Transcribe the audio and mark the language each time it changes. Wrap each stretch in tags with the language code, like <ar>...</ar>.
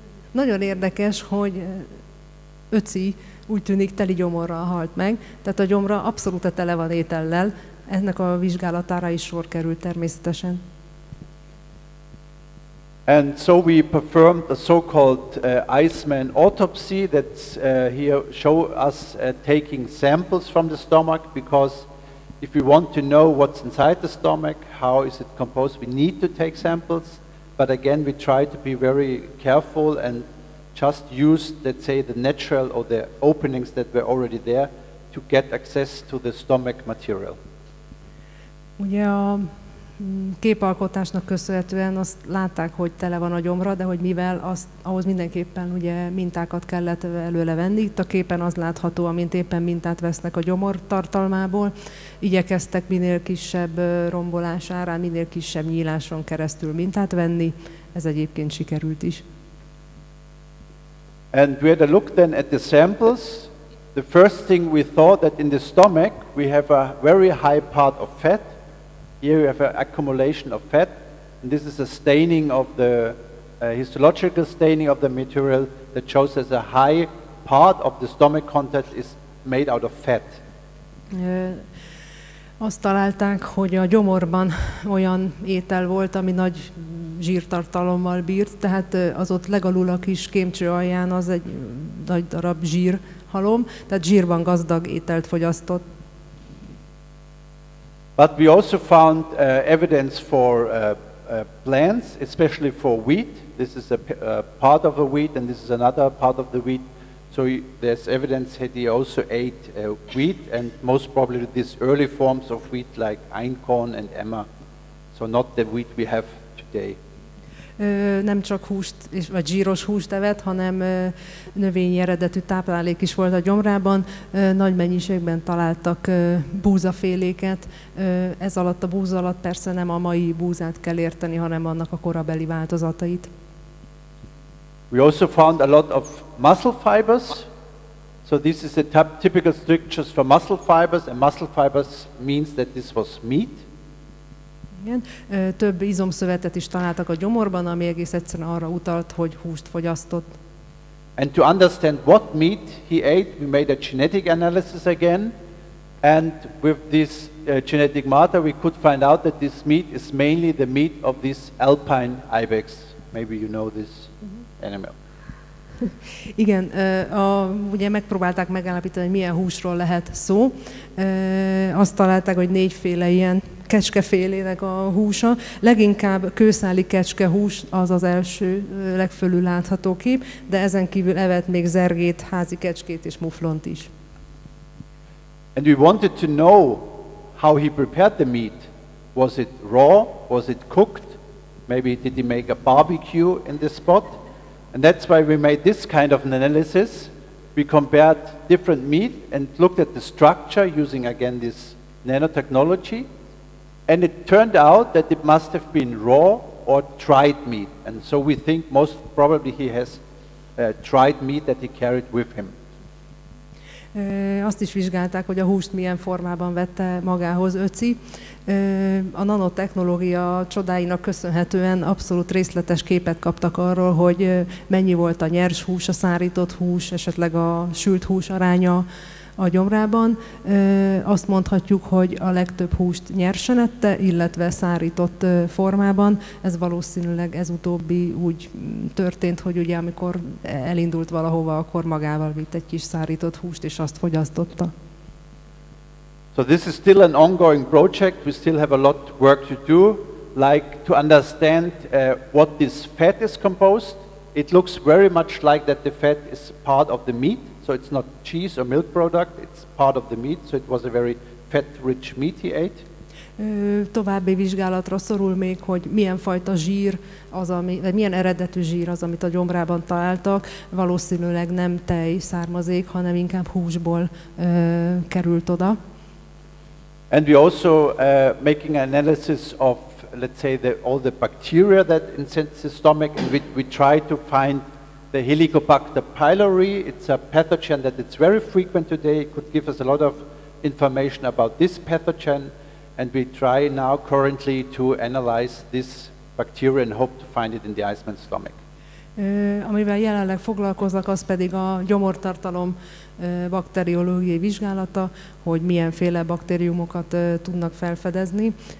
<hu>Nagyon érdekes, hogy Ötzi úgy tűnik teli gyomorral halt meg, tehát a gyomra abszolút tele van étellel, ennek a vizsgálatára is sor került természetesen.</hu> <en>And so we performed a so-called Iceman autopsy that here show us taking samples from the stomach, because if we want to know what's inside the stomach, how is it composed, we need to take samples. But again, we try to be very careful and just use, let's say, the natural or the openings that were already there to get access to the stomach material.</en> <hu>Ugye a képalkotásnak köszönhetően azt látták, hogy tele van a gyomra, de hogy mivel azt, ahhoz mindenképpen ugye mintákat kellett előle venni. Itt a képen az látható, amint éppen mintát vesznek a gyomor tartalmából. Igyekeztek minél kisebb rombolás árán, minél kisebb nyíláson keresztül mintát venni. Ez egyébként sikerült is.</hu> <en>And we had a look then at the samples. The first thing we thought that in the stomach we have a very high part of fat. Here we have an accumulation of fat, and this is a staining of the histological staining of the material that shows that a high part of the stomach contents is made out of fat.</en> <hu>Azt találták, hogy a gyomorban olyan étel volt, ami nagy zsírtartalommal bírt, tehát az ott legalul a kis kémcső alján az egy nagy darab zsírhalom, tehát zsírban gazdag ételt fogyasztott.</hu> <en>But we also found evidence for plants, especially for wheat. This is a part of the wheat, and this is another part of the wheat. So there's evidence that he also ate wheat, and most probably these early forms of wheat like einkorn and emmer. So not the wheat we have today.</en> <hu>Nem csak húst, vagy zsíros húst evett, hanem növényi eredetű táplálék is volt a gyomrában. Nagy mennyiségben találtak búzaféléket. Ez alatt a búza alatt persze nem a mai búzát kell érteni, hanem annak a korabeli változatait.</hu> <en>We also found a lot of muscle fibers. So this is a typical structures for muscle fibers, and muscle fibers means that this was meat.</en> <hu>Igen. Több izomszövetet is találtak a gyomorban, ami egész egyszerűen arra utalt, hogy húst fogyasztott.</hu> <en>And to understand what meat he ate, we made a genetic analysis again, and with this genetic matter we could find out that this meat is mainly the meat of this alpine ibex. Maybe you know this animal.</en> <hu>Igen, ugye megpróbálták megállapítani, hogy milyen húsról lehet szó. Azt találták, hogy négyféle ilyen kecskefélének a húsa. Leginkább kőszáli kecskehús az az első, legfölül látható kép, de ezen kívül evett még zergét, házi kecskét és muflont is.</hu> <en>And we wanted to know how he prepared the meat. Was it raw? Was it cooked? Maybe did he make a barbecue in this spot? And that's why we made this kind of an analysis. We compared different meat and looked at the structure using again this nanotechnology. And it turned out that it must have been raw or dried meat. And so we think most probably he has dried meat that he carried with him.</en> <hu>Azt is vizsgálták, hogy a húst milyen formában vette magához Öci. A nanotechnológia csodáinak köszönhetően abszolút részletes képet kaptak arról, hogy mennyi volt a nyers hús, a szárított hús, esetleg a sült hús aránya a gyomrában. Azt mondhatjuk, hogy a legtöbb húst nyersen ette, illetve szárított formában. Ez valószínűleg ez utóbbi úgy történt, hogy ugye amikor elindult valahova, akkor magával vitt egy kis szárított húst, és azt fogyasztotta.</hu> <en>So this is still an ongoing project. We still have a lot of work to do, like to understand what this fat is composed. It looks very much like that the fat is part of the meat. So it's not cheese or milk product, it's part of the meat, so it was a very fat-rich meat he ate.</en> <hu>További vizsgálatra szorul még, hogy milyen fajta zsír az, vagy milyen eredetű zsír az, amit a gyomrában találtak. Valószínűleg nem tej származék, hanem inkább húsból került oda.</hu> <en>And we also making an analysis of, let's say, all the bacteria that incense the stomach, and we try to find the Helicobacter pylori. It's a pathogen that it's very frequent today. It could give us a lot of information about this pathogen, and we try now currently to analyze this bacteria and hope to find it in the Iceman's stomach.</en> <hu>Amivel jelenleg foglalkoznak, az pedig a gyomortartalom bakteriológiai vizsgálata, hogy milyenféle baktériumokat tudnak felfedezni.</hu>